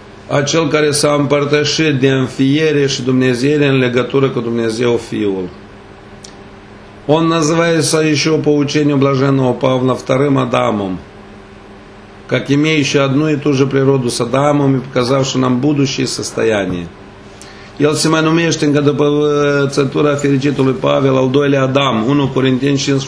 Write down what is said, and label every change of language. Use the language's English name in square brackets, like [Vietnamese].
[Romanian] Acel care s-a împărtășit de înfiere și Dumnezeire în legătură cu Dumnezeu Fiul. [Russian] Он называется еще по учению блаженного Павла вторым Адамом, как имеющий одну и ту же природу с Адамом и показавший нам будущее состояние. [Romanian] El se mai numește încă după țătura fericitului Pavel, al doilea Adam, 1 Corinteni 15:45.